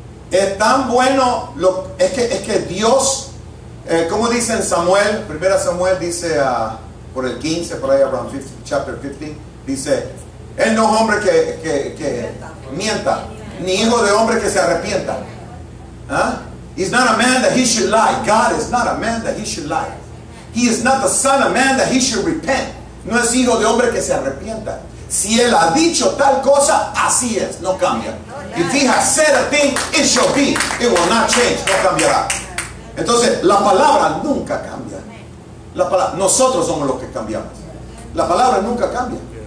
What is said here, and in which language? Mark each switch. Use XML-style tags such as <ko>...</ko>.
<es>Es tan bueno, es que Dios, como dice en Samuel, 1 Samuel dice por el 15, por ahí,</es> <en>around 15, chapter 15,</en> <es>dice: Él no es hombre que mienta, ni hijo de hombre que se arrepienta. ¿Ah?</es> <en>He's not a man that he should lie. God is not a man that he should lie. He is not the son of man that he should repent.</en> <es>No es hijo de hombre que se arrepienta. Si él ha dicho tal cosa, así es. No cambia.</es> <en>If he has said a thing, it shall be. It will not change.</en> <es>No cambiará. Entonces, la palabra nunca cambia. Nosotros somos los que cambiamos. La palabra nunca cambia.</es>